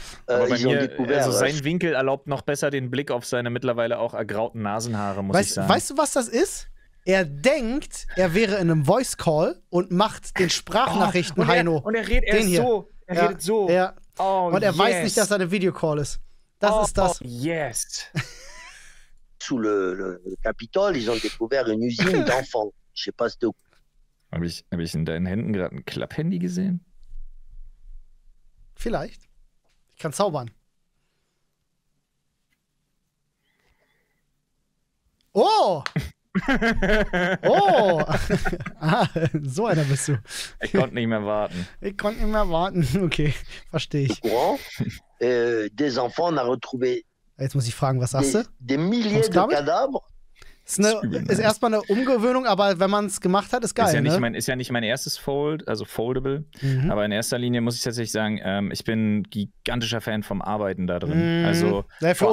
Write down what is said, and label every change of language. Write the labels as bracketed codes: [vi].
[de] Also sein Winkel erlaubt noch besser den Blick auf seine mittlerweile auch ergrauten Nasenhaare, ich sagen. Weißt du, was das ist? Er denkt, er wäre in einem Voice Call und macht den Sprachnachrichten, Heino. Und er redet so. Und er weiß nicht, dass er eine Videocall ist. Das ist das. [en] Oh, yes. [fr] Sous le Capitole, ils ont découvert une usine d'enfants. Je sais pas si tu... [de] Hab ich in deinen Händen gerade ein Klapphandy gesehen? Vielleicht. Ich kann zaubern. Oh! Oh! So einer bist du. Ich konnte nicht mehr warten. Ich konnte nicht mehr warten. Okay, verstehe ich. [fr] Des enfants n'a retrouvé. [de] Jetzt muss ich fragen, was sagst du? [fr] Des milliers de cadavres. [de] Ist erstmal eine Umgewöhnung, aber wenn man es gemacht hat, ist geil. Ist ja nicht, mein erstes Fold, also Foldable. Mhm. Aber in erster Linie muss ich tatsächlich sagen, ich bin gigantischer Fan vom Arbeiten da drin. Mhm. Also ja, vor